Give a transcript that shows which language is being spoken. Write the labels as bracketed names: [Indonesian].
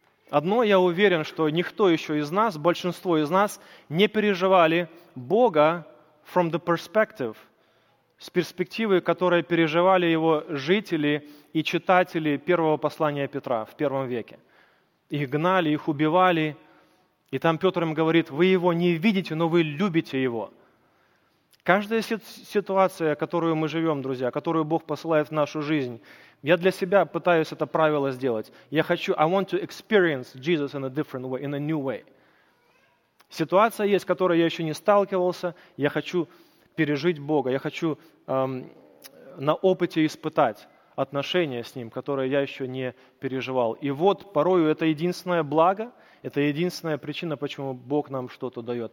[Russian] Одно я уверен, что никто еще из нас, большинство из нас, не переживали Бога [English] from the perspective, [Russian] с перспективы, которой переживали Его жители и читатели первого послания Петра в первом веке. Их гнали, их убивали. И там Петр им говорит: вы Его не видите, но вы любите Его. Каждая ситуация, которую мы живем, друзья, которую Бог посылает в нашу жизнь, я для себя пытаюсь это правило сделать. Я хочу, [English] I want to experience Jesus in a different way, in a new way. [Russian] Ситуация есть, с которой я еще не сталкивался, я хочу пережить Бога, я хочу на опыте испытать отношения с Ним, которые я еще не переживал. И вот порою это единственное благо, это единственная причина, почему Бог нам что-то дает.